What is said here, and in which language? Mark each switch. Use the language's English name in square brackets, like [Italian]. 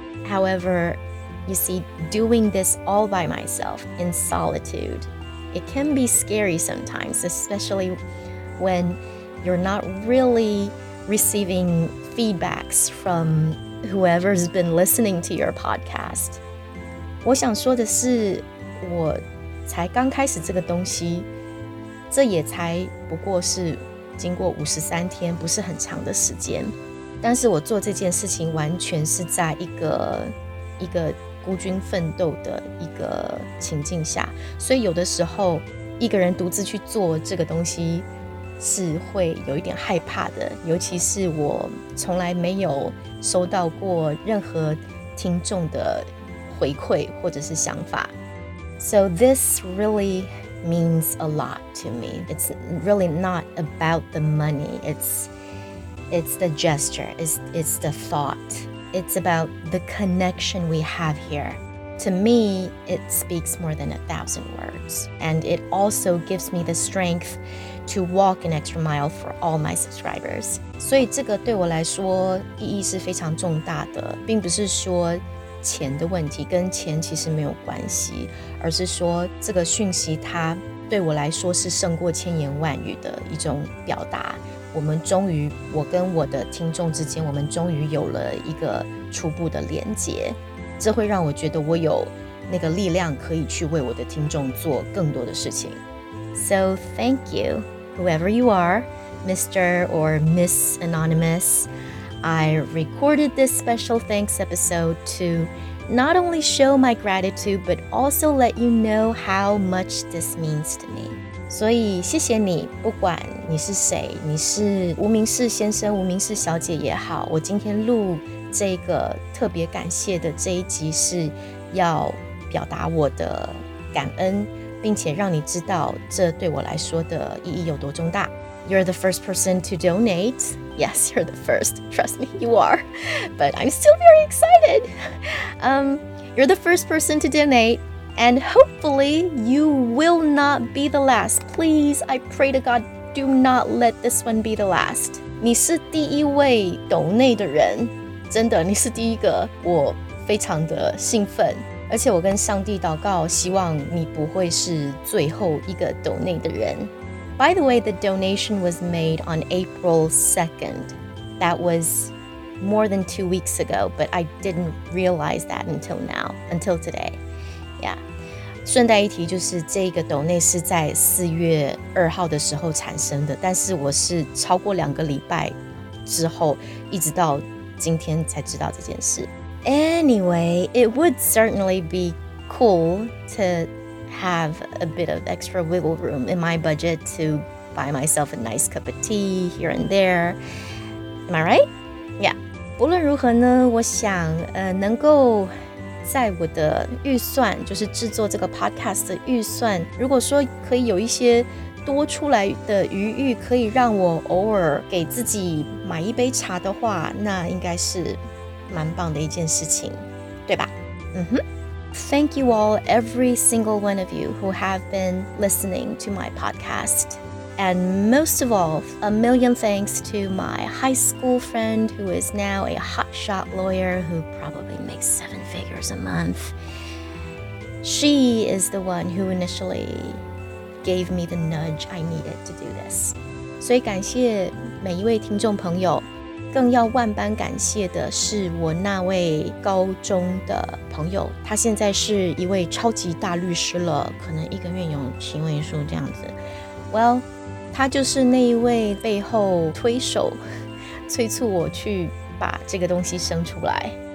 [English] However, you see, doing this all by myself in solitude, it can be scary sometimes, especially whenyou're not really receiving feedbacks from whoever's been listening to your podcast. [Chinese] 我想说的是，我才刚开始这个东西，这也才不过是经过53天，不是很长的时间。但是我做这件事情完全是在一个孤军奋斗的一个情境下，所以有的时候一个人独自去做这个东西是会有一点害怕的，尤其是我从来没有收到过任何听众的回馈或者是想法。 [English] So this really means a lot to me. It's really not about the money. It's the gesture. It's the thought. It's about the connection we have here. To me, it speaks more than 1,000 words. And it also gives me the strengthto walk an extra mile for all my subscribers. [Chinese] 所以这个对我来说意义是非常重大的，并不是说钱的问题，跟钱其实没有关系，而是说这个讯息它对我来说是胜过千言万语的一种表达。我们终于，我跟我的听众之间，我们终于有了一个初步的连结，这会让我觉得我有那个力量可以去为我的听众做更多的事情。 [English] So thank you, whoever you are, Mr. or Miss Anonymous. I recorded this special thanks episode to not only show my gratitude, but also let you know how much this means to me. [Chinese] 所以谢谢你，不管你是谁，你是无名氏先生、无名氏小姐也好，我今天录这个特别感谢的这一集是要表达我的感恩，并且让你知道这对我来说的意义有多重大。 [English] You're the first person to donate. Yes, you're the first. Trust me, you are. But I'm still very excited. You're the first person to donate. And hopefully, you will not be the last. Please, I pray to God, do not let this one be the last. [Chinese] 你是第一位 donate 的人，真的，你是第一个，我非常的兴奋。而且我跟上帝祷告，希望你不会是最后一个 donate 的人。 [English] By the way, the donation was made on April 2nd. That was more than 2 weeks ago, but I didn't realize that until now, until today. Yeah. [Chinese] 顺带一提，就是这个 donate 是在4月2号的时候产生的，但是我是超过两个礼拜之后，一直到今天才知道这件事。 [English] Anyway, it would certainly be cool to have a bit of extra wiggle room in my budget to buy myself a nice cup of tea here and there. Am I right? Yeah. [Chinese] 不论如何呢，我想能够在我的预算，就是制作这个 podcast 的预算，如果说可以有一些多出来的余裕，可以让我偶尔给自己买一杯茶的话，那应该是蛮棒的一件事情，对吧？嗯哼。 [English] Thank you all, every single one of you who have been listening to my podcast. And most of all, a million thanks to my high school friend who is now a hotshot lawyer who probably makes 7 figures a month. She is the one who initially gave me the nudge I needed to do this. [Chinese] 所以感谢每一位听众朋友，更要万般感谢的是我那位高中的朋友，他现在是一位超级大律师了，可能一个月有行为书这样子。 Well, 他就是那一位背后推手，催促我去把这个东西生出来。